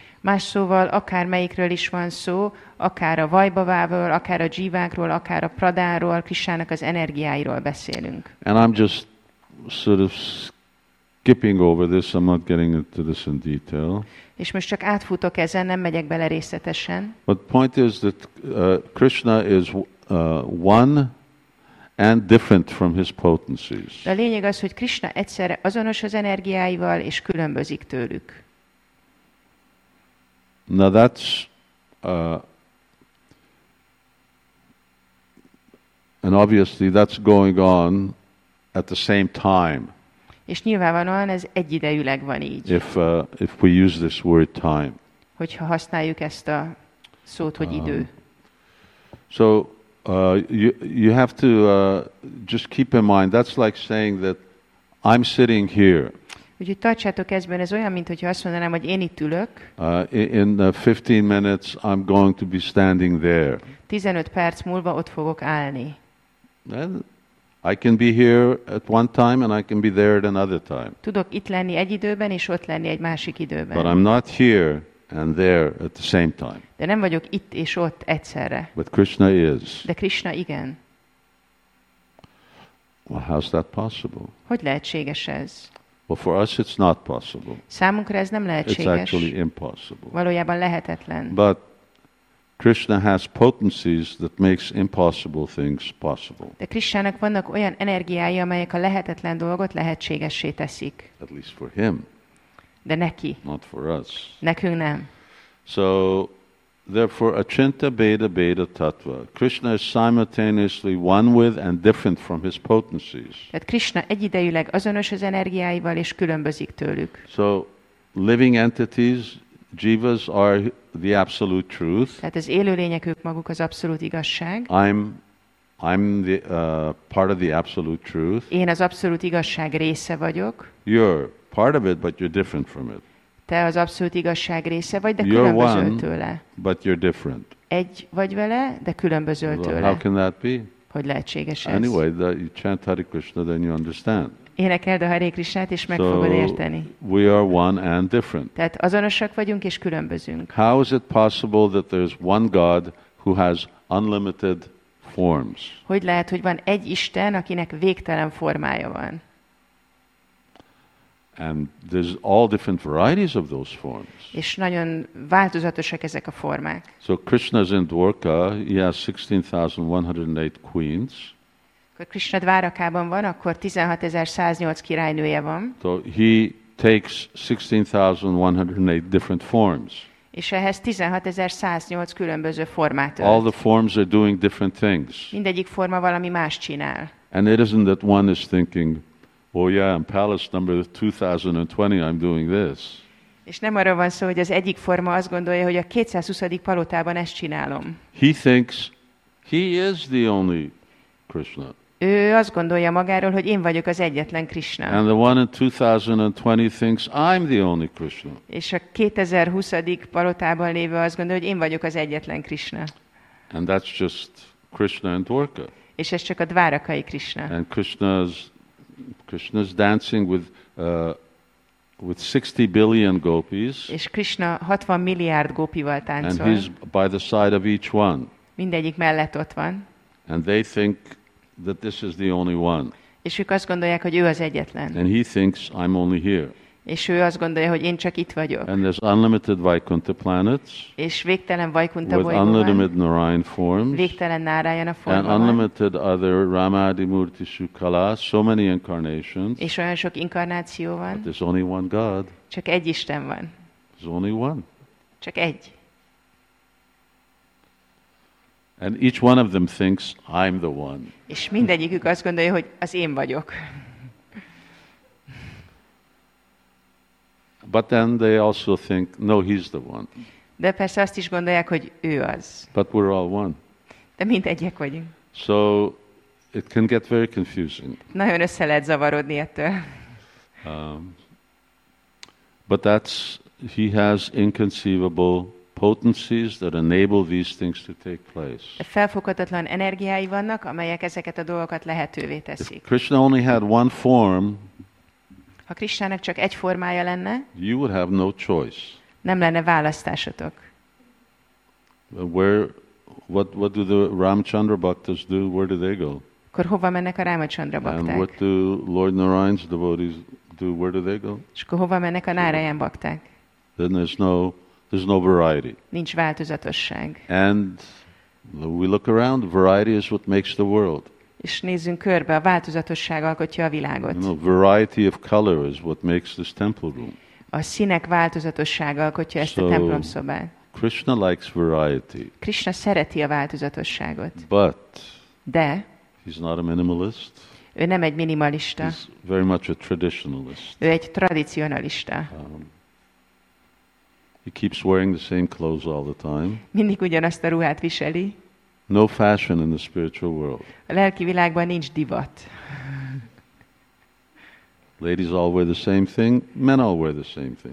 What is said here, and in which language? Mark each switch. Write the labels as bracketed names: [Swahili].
[Hungarian] Más szóval, akár melyikről is van szó, akár a vaibhavával, akár a jivákról, akár a pradhánról, Krishnának az energiáiról beszélünk. [English] And I'm just sort of skipping over this, I'm not getting into this in detail. [Hungarian] És most csak átfutok ezen, nem megyek bele részletesen. [English] But the point is that Krishna is one and different from his potencies. [Hungarian] De a lényeg az, hogy Krishna egyszerre azonos az energiáival és különbözik tőlük. [English] Now that's and obviously that's going on at the same time. [Hungarian] És nyilvánvalóan ez egyidejűleg van így. [English] If we use this word time. [Hungarian] Hogyha használjuk ezt a szót, hogy idő. [English] So you have to just keep in mind that's like saying that I'm sitting here. [Hungarian] Úgyhogy tartsátok ezben, ez olyan, mint hogyha azt mondanám, hogy én itt ülök. [English] In 15 minutes I'm going to be standing there. [Hungarian] 15 perc múlva ott fogok állni. [English] Then I can be here at one time and I can be there at another time. [Hungarian] Tudok itt lenni egy időben és ott lenni egy másik időben. [English] But I'm not here and there at the same time. [Hungarian] De nem vagyok itt és ott egyszerre. [English] But Krishna is. [Hungarian] De Krishna igen. [English] Well, how's that possible? [Hungarian] Hogy lehetséges ez? [English] Well, for us it's not possible. [Hungarian] Számunkra ez nem lehetséges. [English] It's actually impossible. [Hungarian] Valójában lehetetlen. [English] But Krishna has potencies that makes impossible things possible. [Hungarian] De Krishnának vannak olyan energiái, amelyek a lehetetlen dolgot lehetségessé teszik. [English] At least for him. [Hungarian] De neki. [English] Not for us. [Hungarian] Nekünk nem. [English] So, therefore, achinta bheda bheda tattva. Krishna is simultaneously one with and different from his potencies. [Hungarian] Tehát Krishna egyidejűleg azonos az energiáival és különbözik tőlük. [English] So, living entities, jivas are the absolute truth. [Hungarian] Tehát az élőlények ők maguk az abszolút igazság. [English] I'm the part of the absolute truth. [Hungarian] Én az abszolút igazság része vagyok. [English] You're part of it, but you're different from it. [Hungarian] Te az abszolút igazság része vagy, de [English] you're [Hungarian] különbözöl [English] one, [Hungarian] tőle. [English] But you're different. [Hungarian] Egy vagy vele, de különbözöl [English] well, [Hungarian] tőle. [English] How can that be? [Hungarian] Hogy lehetséges ez? [English] Anyway, you chant Hare Krishna, then you understand. [Hungarian] Énekeld a Hare Krishnát, és meg fogod érteni. [English] We are one and different. [Hungarian] Tehát azonosak vagyunk és különbözünk. [English] How is it possible that there's one God who has unlimited forms? [Hungarian] Hogy lehet, hogy van egy Isten, akinek végtelen formája van? [English] And there's all different varieties of those forms. [Hungarian] És nagyon változatosak ezek a formák. [English] So Krishna's in Dvarka, he has 16,108 queens. [Hungarian] Akkor Krishna Dvárakában van, akkor 16,108 királynője van. [English] So he takes 16,108 different forms. [Hungarian] És ehhez 16,108 különböző formát ölt. [English] All the forms are doing different things. [Hungarian] Mindegyik forma valami más csinál. [English] And it isn't that one is thinking, oh yeah, I'm palace number 2020, I'm doing this. [Hungarian] És nem arra van szó, hogy az egyik forma azt gondolja, hogy a 220. palotában ezt csinálom. [English] He thinks he is the only Krishna. [Hungarian] Ő azt gondolja magáról, hogy én vagyok az egyetlen Krishna. [English] And the one in 2020 thinks I'm the only Krishna. [Hungarian] És a 2020. palotában lévő azt gondolja, hogy én vagyok az egyetlen Krishna. [English] And that's just Krishna and Dvarka. [Hungarian] És ez csak a Dvárakai Krishna. [English] And Krishna's dancing with 60 billion gopis. [Hungarian] És Krishna 60 milliárd gópival táncol. [English] And he's by the side of each one. [Hungarian] Mindegyik mellett ott van. [English] And they think that this is the only one. [Hungarian] És ők azt gondolják, hogy ő az egyetlen. [English] And he thinks I'm only here. [Hungarian] És ő azt gondolja, hogy én csak itt vagyok. [English] And there's unlimited Vaikuntha planets. [Hungarian] És végtelen Vaikuntha bolygó. [English] With unlimited Narayan forms. [Hungarian] Végtelen Narayana forma. [English] And unlimited other Ramadi Murti Shukala, so many incarnations. [Hungarian] És olyan sok inkarnáció van. [English] But there's only one God. [Hungarian] Csak egy Isten van. [English] There's only one. [Hungarian] Csak egy. [English] And each one of them thinks I'm the one. [Hungarian] És mindegyikük azt gondolja, hogy az én vagyok. [English] But then they also think, no, he's the one. [Hungarian] De persze azt is gondolják, hogy ő az. [English] But we're all one. [Hungarian] De mindegyek vagyunk. [English] So it can get very confusing. [Hungarian] Nagyon össze lehet zavarodni ettől. [English] But that's, he has inconceivable potencies that enable these things to take place. [Hungarian] A felfoghatatlan energiái vannak, amelyek ezeket a dolgokat lehetővé teszik. [English] If Krishna only had one form, [Hungarian] ha Krisztának csak egy formája lenne, [English] you would have no choice. [Hungarian] Nem lenne választásotok. [English] Where, what do the Ramchandra Bhaktas do? Where do they go? [Hungarian] Akkor hova mennek a Ramchandra Bhakták? [English] And what do Lord Narayan's devotees do? Where do they go? [Hungarian] És akkor hova mennek a Narayan Bhakták? [English] Then there's no variety. [Hungarian] Nincs változatosság. [English] And we look around. Variety is what makes the world. [Hungarian] És nézzünk körbe, a változatosság alkotja a világot. [English] You know, variety of color is what makes this temple room. [Hungarian] A színek változatossága alkotja ezt a templomszobát. [English] Krishna likes variety. [Hungarian] Krishna szereti a változatosságot. [English] But [Hungarian] de [English] he's not a minimalist. [Hungarian] Ő nem egy minimalista. [English] He's very much a traditionalist. [Hungarian] Ő egy tradicionalista. [English] He keeps wearing the same clothes all the time. [Hungarian] Mindig ugyanazt a ruhát viseli. [English] No fashion in the spiritual world. [Hungarian] A lelki világban nincs divat. [English] Ladies all wear the same thing, men all wear the same thing.